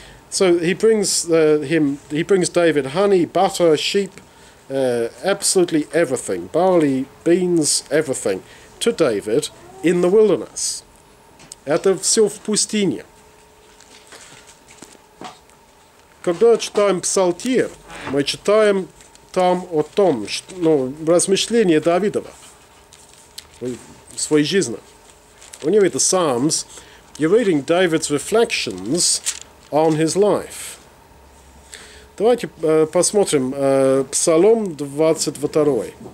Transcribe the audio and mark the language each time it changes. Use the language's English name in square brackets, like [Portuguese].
[English] So he brings David honey, butter, sheep, absolutely everything, barley, beans, everything, to David in the wilderness. [Russian] Это все в пустыне. Когда читаем Псалтир, мы читаем там о том, что, размышления Давидова в своей жизни. [English] When you read the Psalms, you're reading David's reflections on his life. [Russian] Давайте посмотрим Псалом 22.